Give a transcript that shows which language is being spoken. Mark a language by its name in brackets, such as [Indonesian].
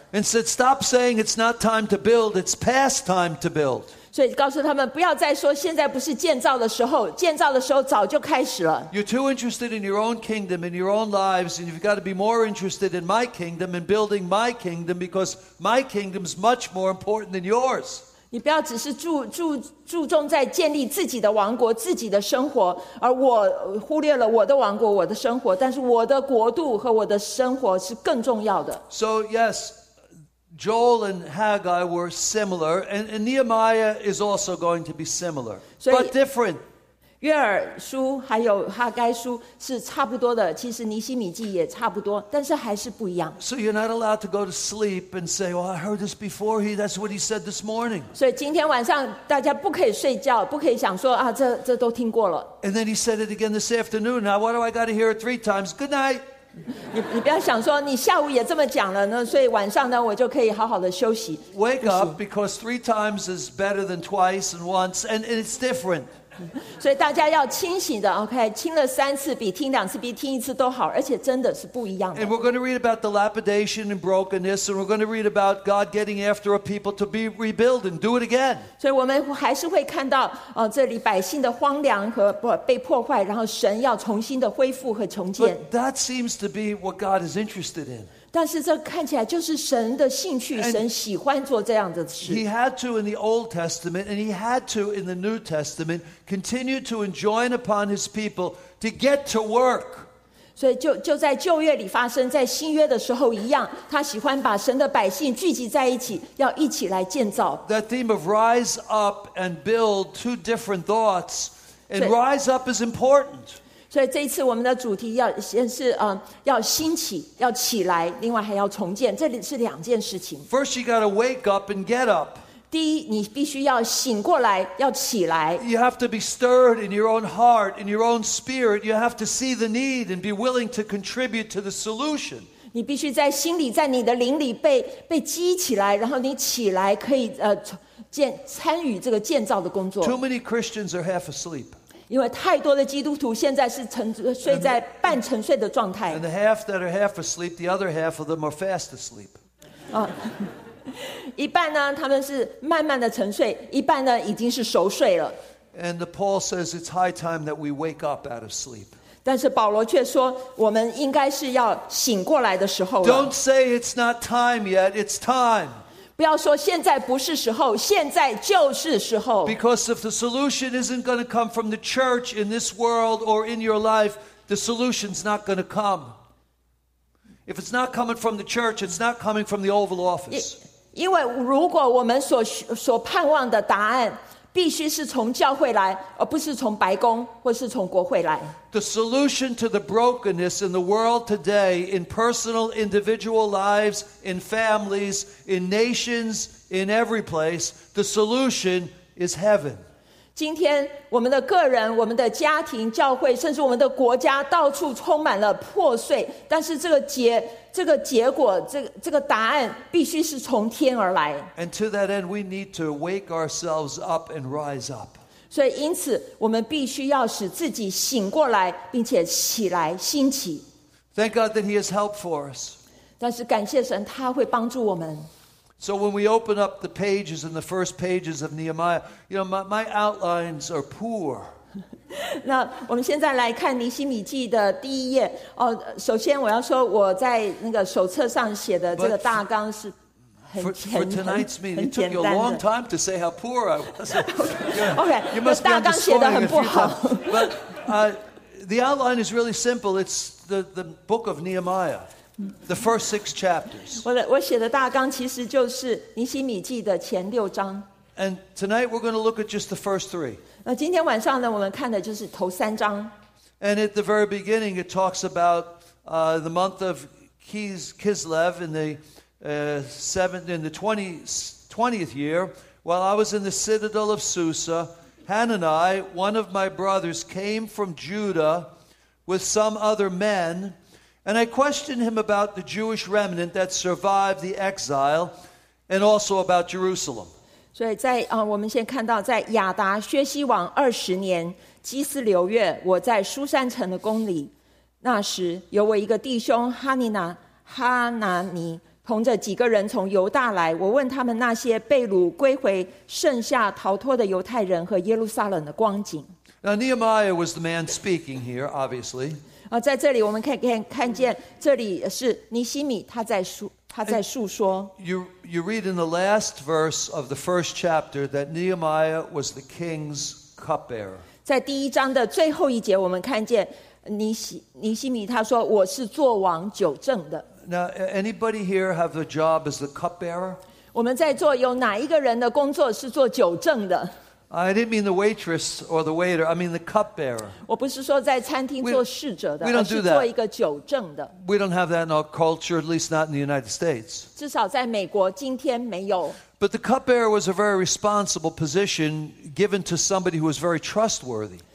[English] And said, "Stop saying it's not time to build; it's past time to build." [Chinese] 所以告诉他们不要再说现在不是建造的时候，建造的时候早就开始了。 [English] You're too interested in your own kingdom and your own lives, and you've got to be more interested in my kingdom and building my kingdom because my kingdom's much more important than yours. [Chinese] 你不要只是注重在建立自己的王国、自己的生活，而我忽略了我的王国、我的生活。但是我的国度和我的生活是更重要的。 [English] So yes. Joel and Haggai were similar, and Nehemiah is also going to be similar, but different. [Chinese] 约珥书还有哈该书是差不多的，其实尼希米记也差不多，但是还是不一样。 [English] So you're not allowed to go to sleep and say, "Well, I heard this before. That's what he said this morning." [Chinese] 所以今天晚上大家不可以睡觉，不可以想说啊，这都听过了。 [English] And then he said it again this afternoon. Now, what do I got to hear it three times? Good night. [Chinese] 你不要想说你下午也这么讲了，那所以晚上呢，我就可以好好的休息。 [English] Wake up because three times is better than twice and once, and it's different. [Chinese] 所以大家要清醒的 ，OK， 听了三次比听两次比听一次都好，而且真的是不一样的。 [English] And we're going to read about the lapidation and brokenness, and we're going to read about God getting after a people to be rebuilt and do it again. [Chinese] 所以我们还是会看到，这里百姓的荒凉和被破坏，然后神要重新的恢复和重建。 [English] But that seems to be what God is interested in. [Chinese] 但是这看起来就是神的兴趣，神喜欢做这样的事。 [English] He had to in the Old Testament, and he had to in the New Testament, continue to enjoin upon his people to get to work. [Chinese] 所以就在旧约里发生，在新约的时候一样，他喜欢把神的百姓聚集在一起，要一起来建造。 [English] That theme of rise up and build, two different thoughts, and rise up is important. [Chinese] 所以这一次我们的主题要先是要兴起，要起来，另外还要重建，这里是两件事情。 [English] First, you got to wake up and get up. [Chinese] 第一，你必须要醒过来，要起来。 [English] You have to be stirred in your own heart, in your own spirit. You have to see the need and be willing to contribute to the solution. [Chinese] 你必须在心里，在你的灵里被激起来，然后你起来可以参与这个建造的工作。 [English] Too many Christians are half asleep. [Chinese] 因为太多的基督徒现在是睡在半沉睡的状态。 [English] And the half that are half asleep, the other half of them are fast asleep. [Chinese] 一半呢，他们是慢慢的沉睡，一半呢已经是熟睡了。 [English] And the Paul says it's high time that we wake up out of sleep. [Chinese] 但是保罗却说，我们应该是要醒过来的时候了。 [English] Don't say it's not time yet, it's time. [Chinese] 不要说现在不是时候，现在就是时候。 [English] Because if the solution isn't going to come from the church in this world or in your life, the solution's not going to come. If it's not coming from the church, it's not coming from the Oval Office. [Chinese] 因为如果我们所盼望的答案必须是从教会来，而不是从白宫或是从国会来。 [English] The solution to the brokenness in the world today, in personal, individual lives, in families, in nations, in every place, the solution is heaven. [Chinese] 今天我们的个人、我们的家庭、教会，甚至我们的国家，到处充满了破碎，但是这个结果、这个答案必须是从天而来。 [English] And to that end, we need to wake ourselves up and rise up. [Chinese] 所以因此我们必须要使自己醒过来，并且起来兴起。 [English] Thank God that he has helped for us. [Chinese] 但是感谢神，他会帮助我们。 [English] So when we open up the pages in the first pages of Nehemiah, you know, my outlines are poor. [Chinese] 那我们现在来看尼希米记的第一页。首先我要说我在那个手册上写的这个大纲是很简单的。 [English] It took you a long time to say how poor I was. Okay, you must be understanding a few times. But the outline is really simple. It's the book of Nehemiah, the first six chapters. [Chinese] 我写的大纲其实就是尼希米记的前六章。 [English] And tonight we're going to look at just the first three. [Chinese] 今天晚上呢，我们看的就是头三章。 [English] And at the very beginning, it talks about the month of Kislev in the twentieth year. While I was in the citadel of Susa, Hanani, one of my brothers, came from Judah with some other men, and I questioned him about the Jewish remnant that survived the exile, and also about Jerusalem. [Chinese] 所以在我们先看到在亚达薛西王二十年基斯流月，我在苏珊城的宫里，那时有我一个弟兄哈拿尼同着几个人从犹大来，我问他们那些被掳归回剩下逃脱的犹太人和耶路撒冷的光景。 [English] Now Nehemiah was the man speaking here, obviously. [Chinese] 在这里我们看见这里是尼希米，他在述说。 [English] You read in the last verse of the first chapter that Nehemiah was the king's cupbearer. [Chinese] 在第一章的最后一节，我们看见尼希米他说我是做王酒政的。 [English] Now, anybody here have the job as the cupbearer? [Chinese] 我们在座有哪一个人的工作是做酒政的？ [English] I didn't mean the waitress or the waiter. I mean the cupbearer. [Chinese] 我不是说在餐厅做侍者的，而是做一个酒证的。 [English] We don't have that in our culture, at least not in the United States. [Chinese] 至少在美国今天没有。 [English] But the cupbearer was a very responsible position given to somebody who was very trustworthy.